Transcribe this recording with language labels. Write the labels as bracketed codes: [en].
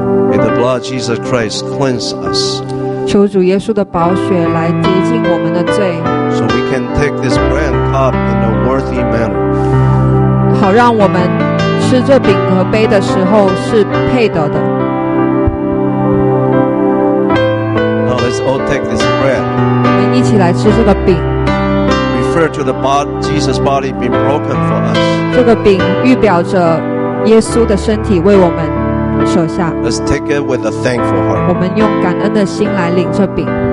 [en] May the blood of Jesus Christ cleanse us. [zh] 求主耶稣的宝血来洁净我们的罪 [en] So we can take this bread and cup in a worthy manner. [zh] 好让我们吃这饼和杯的时候是配得的 [en] Now let's all take this bread [zh] 我们一起来吃这个饼 [en] Refer to the body, Jesus' body being broken for us [zh] 这个饼预表着耶稣的身体为我们舍下 [en] Let's take it with a thankful heart [zh] 我们用感恩的心来领这饼